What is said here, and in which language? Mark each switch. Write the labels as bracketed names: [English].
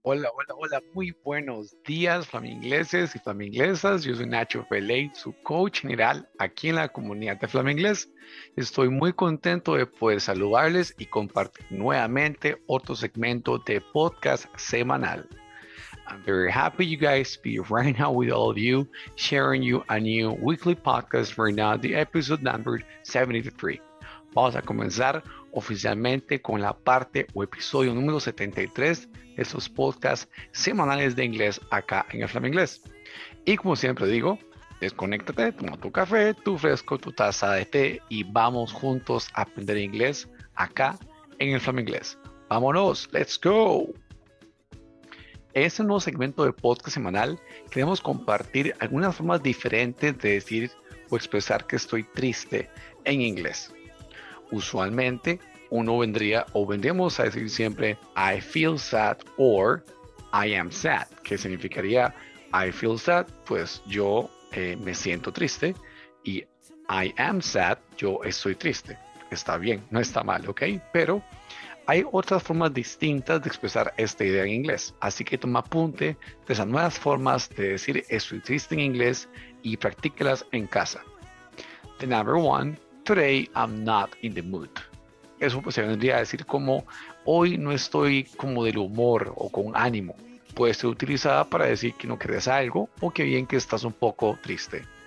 [Spanish] Hola, hola, hola, muy buenos días, flamingleses y flamingleses. Yo soy Nacho Feley, su coach general aquí en la comunidad de Flaminglés. Estoy muy contento de poder saludarles y compartir nuevamente otro segmento de podcast semanal. [English] I'm very happy you guys to be right now with all of you, sharing you a new weekly podcast right now, the episode number 73. [Spanish] Vamos a comenzar oficialmente con la parte o episodio número 73 de estos podcasts semanales de inglés acá en el Flaminglés. Y como siempre digo, desconéctate, toma tu café, tu fresco, tu taza de té y vamos juntos a aprender inglés acá en el Flaminglés. ¡Vámonos! ¡Let's go! En este nuevo segmento de podcast semanal queremos compartir algunas formas diferentes de decir o expresar que estoy triste en inglés. Usualmente, uno vendría o vendríamos a decir siempre I feel sad or I am sad, que significaría I feel sad, pues yo me siento triste, y I am sad, yo estoy triste. Está bien, no está mal, ¿ok? Pero hay otras formas distintas de expresar esta idea en inglés, así que toma apunte de esas nuevas formas de decir estoy triste en inglés y practíquelas en casa. [English] The number one, today I'm not in the mood. [Spanish] Eso pues se vendría a decir como hoy no estoy como del humor o con ánimo. Puede ser utilizada para decir que no querés algo o que bien que estás un poco triste.